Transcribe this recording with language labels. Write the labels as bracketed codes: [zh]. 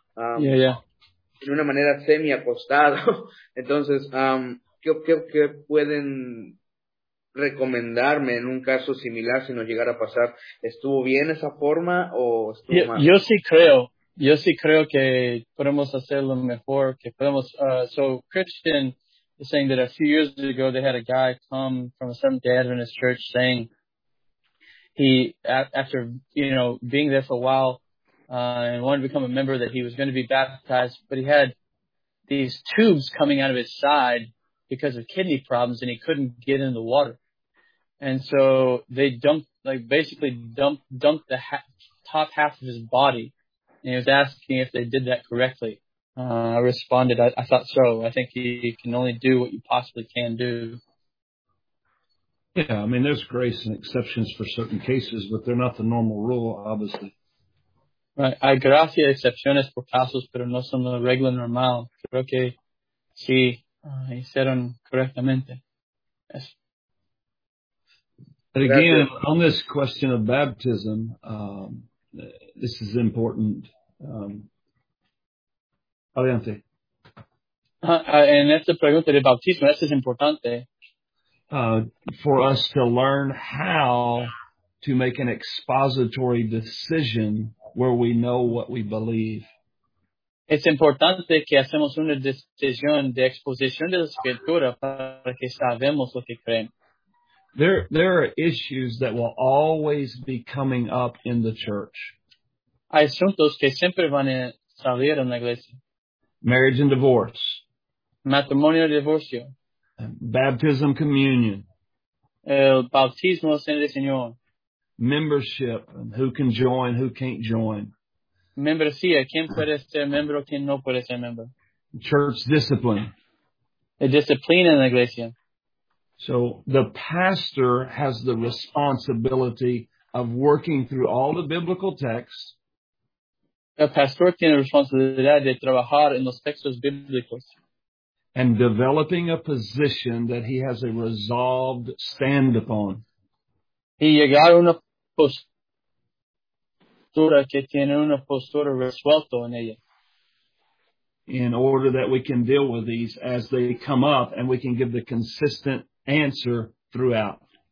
[es] En una manera semi acostado. Entonces, ¿qué pueden recomendarme en un caso similar si no llegara a pasar? ¿Estuvo bien esa forma o estuvo mal? Yo sí creo que podemos hacer lo mejor que podemos. [en] So, Christian is saying that a few years ago they had a guy come from a Seventh-day Adventist church saying he, after, you know, being there for a while and wanted to become a member, that he was going to be baptized, but he had these tubes coming out of his side because of kidney problems, and he couldn't get in the water. And so they dumped the top half of his body, and he was asking if they did that correctly. I responded, I thought so. I think you can only do what you possibly can do. Yeah, I mean, there's grace and exceptions for certain cases, but they're not the normal rule, obviously. Right. [es] Hay gracia y excepciones por casos, pero no son la regla normal. Creo que sí, hicieron correctamente. [en] Yes. But again, on this question of baptism, this is important. [es] Adelante. En esta pregunta de bautismo, esto es importante. [en] For us to learn how to make an expository decision where we know what we believe. [es] Es importante que hacemos una decisión de exposición de la escritura para que sabemos lo que creemos. [en] There are issues that will always be coming up in the church. [es] Hay asuntos que siempre van a salir en la iglesia. [en] Marriage and divorce. [es] Matrimonio y divorcio. [en] Baptism, communion. [es] El bautismo en el Señor. [en] Membership, and who can join, who can't join. [es] Membresía, quién puede ser miembro, quién no puede ser miembro. [en] Church discipline. [es] La disciplina en la iglesia. [en] So the pastor has the responsibility of working through all the biblical texts. [es] El pastor tiene la responsabilidad de trabajar en los textos bíblicos. [en] And developing a position that he has a resolved stand upon. [es] Y llegar a una postura que tiene una postura resuelta en ella. [en] In order that we can deal with these as they come up and we can give the consistent answer throughout.